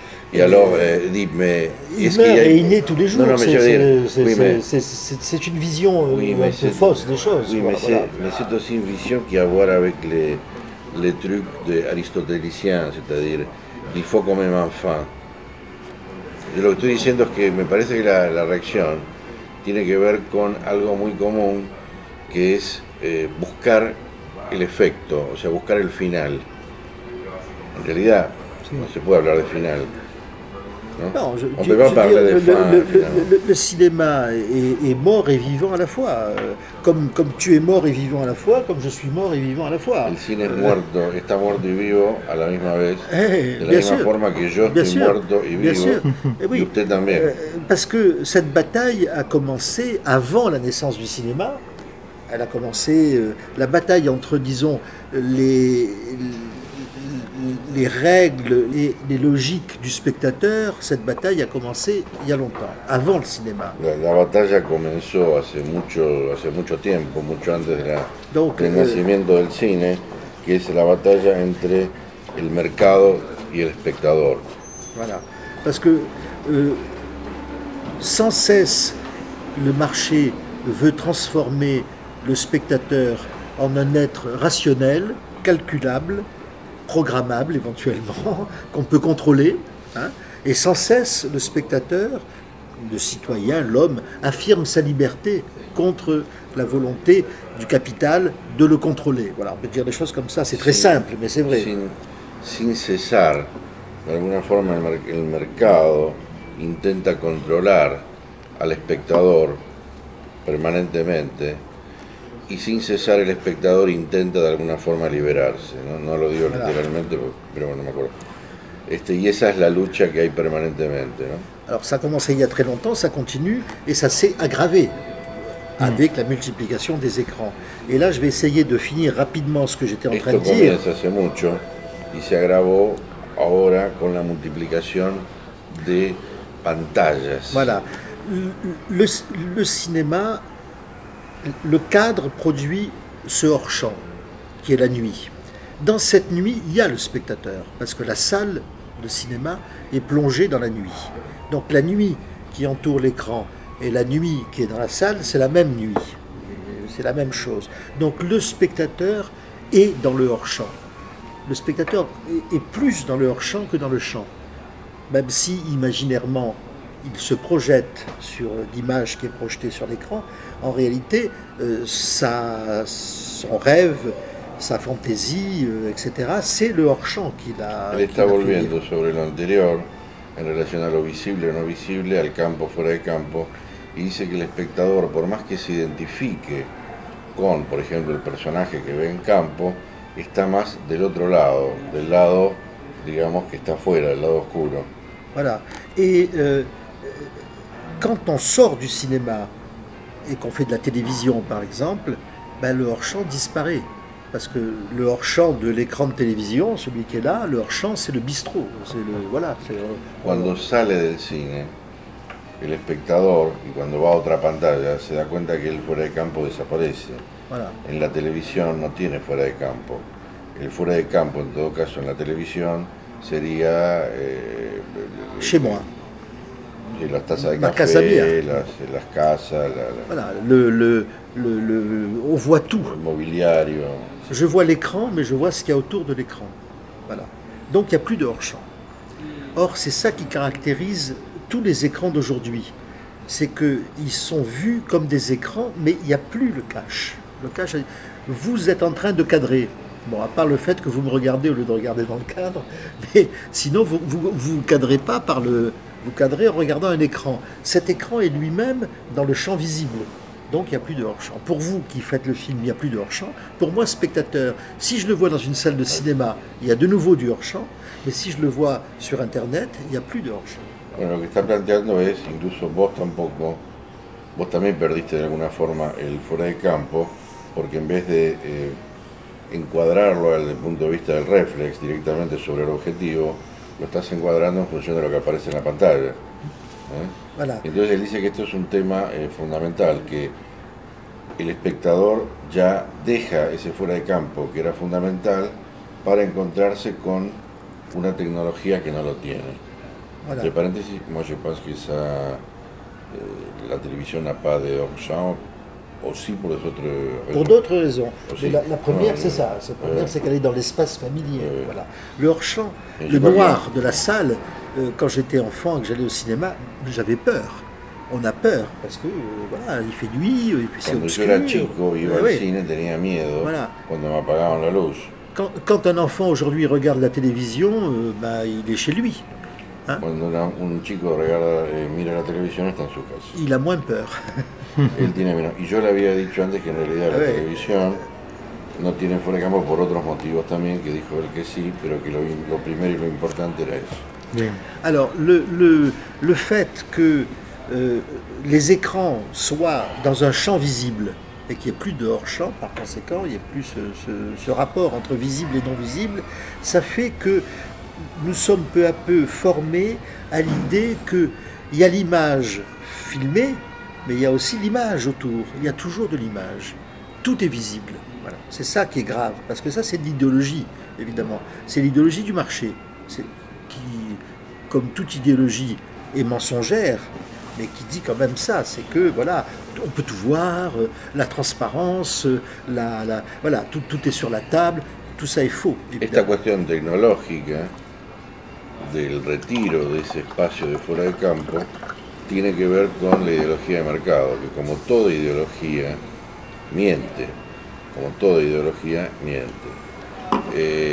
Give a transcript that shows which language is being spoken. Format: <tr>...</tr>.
<fr>Et alors, dites-moi, est-ce qu'il y a... Il naît tous les jours, non, mais c'est une vision fausse des choses. Oui, mais c'est aussi une vision qui a à voir avec les trucs d'aristotélicien, c'est-à-dire, il faut comme un enfant. Ce que je suis dit, c'est que</fr> <es>me parece que la réaction tiene que ver con algo muy común, que es buscar el efecto, o sea, buscar el final. En realidad, sí, no se puede hablar de final.</es> <fr>Non, je veux dire, le cinéma est mort et vivant à la fois, comme tu es mort et vivant à la fois, comme je suis mort et vivant à la fois. Le cinéma est mort,</fr> <es>está muerto y vivo a la misma vez, de la misma forma que yo estoy muerto y vivo, y usted también.</es> <fr>Parce que cette bataille a commencé avant la naissance du cinéma. Elle a commencé la bataille entre, disons, les règles et les logiques du spectateur. Cette bataille a commencé il y a longtemps, avant le cinéma. La bataille a commencé</fr> <es>hace mucho tiempo, mucho antes del nacimiento del cine, que es la batalla entre el mercado y el espectador.</es> <fr>Voilà, parce que sans cesse le marché veut transformer le spectateur en un être rationnel, calculable, programmable éventuellement, qu'on peut contrôler, hein, et sans cesse le spectateur, le citoyen, l'homme, affirme sa liberté contre la volonté du capital de le contrôler. Voilà, on peut dire des choses comme ça, c'est très simple, mais c'est vrai.</fr> <es>Sin cesar, de alguna forma el mercado intenta controlar al espectador permanentemente. Y sin cesar el espectador intenta de alguna forma liberarse, no, no lo digo literalmente, pero bueno, no me acuerdo. Y esa es la lucha que hay permanentemente, ¿no?</es> <fr>Alors ça a commencé il y a très longtemps, ça continue et ça s'est aggravé avec la multiplication des écrans. Et là je vais essayer de finir rapidement ce que j'étais en train de dire.</fr> <es>Esto comienza hace mucho y se agravó ahora con la multiplicación de pantallas.</es> <fr>Voilà. Le cinéma, le cadre produit ce hors-champ, qui est la nuit. Dans cette nuit, il y a le spectateur, parce que la salle de cinéma est plongée dans la nuit. Donc la nuit qui entoure l'écran et la nuit qui est dans la salle, c'est la même nuit, c'est la même chose. Donc le spectateur est dans le hors-champ. Le spectateur est plus dans le hors-champ que dans le champ, même si imaginairement, il se projette sur l'image qui est projetée sur l'écran. En réalité, son rêve, sa fantaisie, etc., c'est le hors-champ qu'il a. Il est revenu sur l'antérieur, en relation à</fr> <es>lo visible</es> <fr>et non visible, au</fr> <es>campo, fuera de campo.</es> <fr>Il dit que le spectateur,</fr> <es>por más que se identifique con, por ejemplo, el personaje que ve en campo, está más del otro lado, del lado, digamos, que está fuera, del lado oscuro.</es> <fr>Voilà. Et quand on sort du cinéma et qu'on fait de la télévision, par exemple, ben le hors-champ disparaît. Parce que le hors-champ de l'écran de télévision, celui qui est là, le hors-champ, c'est le bistrot. C'est le, voilà, c'est, Quand on</fr> <es>sale del cine, el espectador, y cuando va a otra pantalla, se da cuenta que el fuera de campo desaparece.</es> <fr>Voilà.</fr> <es>En la télévision, no tiene fuera de campo. El fuera de campo, en todo caso, en la télévision, sería.</es> <fr>Chez moi.</fr> <es>Las tazas de café, las casas.</es> <fr>Voilà, on voit tout.</fr> <es>Le mobiliario.</es> <fr>Je vois l'écran, mais je vois ce qu'il y a autour de l'écran. Voilà. Donc il n'y a plus de hors-champ. Or, c'est ça qui caractérise tous les écrans d'aujourd'hui. C'est qu'ils sont vus comme des écrans, mais il n'y a plus le cache. Le cache, vous êtes en train de cadrer. Bon, à part le fait que vous me regardez au lieu de regarder dans le cadre, mais sinon vous cadrez pas par le, vous cadrez en regardant un écran. Cet écran est lui-même dans le champ visible, donc il n'y a plus de hors-champ. Pour vous qui faites le film, il n'y a plus de hors-champ. Pour moi, spectateur, si je le vois dans une salle de cinéma, il y a de nouveau du hors-champ, mais si je le vois sur Internet, il n'y a plus de hors-champ.</fr> <es>Bueno, lo que está planteando es, incluso vos tampoco, vos también perdiste de alguna forma el fuera de campo, porque en vez de encuadrarlo desde el punto de vista del reflex directamente sobre el objetivo, lo estás encuadrando en función de lo que aparece en la pantalla.</es> <fr>Voilà.</fr> <es>Entonces él dice que esto es un tema fundamental, que el espectador ya deja ese fuera de campo que era fundamental para encontrarse con una tecnología que no lo tiene.</es> <fr>Voilà. De paréntesis, moi je pense que ça, la télévision n'a pas de option aussi pour les autres raisons. Pour d'autres raisons. La première, non, c'est ça. La première, c'est qu'elle est dans l'espace familier. Voilà. Le hors-champ, le noir de la salle, quand j'étais enfant et que j'allais au cinéma, j'avais peur. On a peur parce que voilà, il fait nuit, et puis c'est obscur. Quand j'étais</fr> <es>chico, il iba al cine, tenía miedo.</es> <fr>Voilà. Quand on</fr> <es>m'apagaban la luz.</es> <fr>Quand un enfant aujourd'hui regarde la télévision, bah, il est chez lui. Quand un chico regarde et</fr> <es>mira</es> <fr>la télévision, il est en sa</fr> <es>casa.</es> <fr>Il a moins peur.</fr> <es>Il tiene menos. Y yo le había dicho antes que en realidad la televisión no tiene fuera de campo por otros motivos también, que dijo él que sí, pero que lo primero y lo importante era eso. Bien.</es> <fr>Alors, le fait que les écrans soient dans un champ visible et qu'il n'y ait plus de hors-champ, par conséquent, il n'y ait plus ce rapport entre visible et non visible, ça fait que nous sommes peu à peu formés à l'idée qu'il y a l'image filmée, mais il y a aussi l'image autour, il y a toujours de l'image. Tout est visible. Voilà. C'est ça qui est grave, parce que ça, c'est de l'idéologie, évidemment. C'est l'idéologie du marché, qui, comme toute idéologie, est mensongère, mais qui dit quand même ça, c'est que, voilà, on peut tout voir, la transparence, voilà, tout est sur la table, tout ça est faux. Évidemment.</fr> <es>Esta cuestión tecnológica del retiro de ese espacio de fuera de campo tiene que ver con la ideología de mercado, que como toda ideología miente, como toda ideología miente.</es>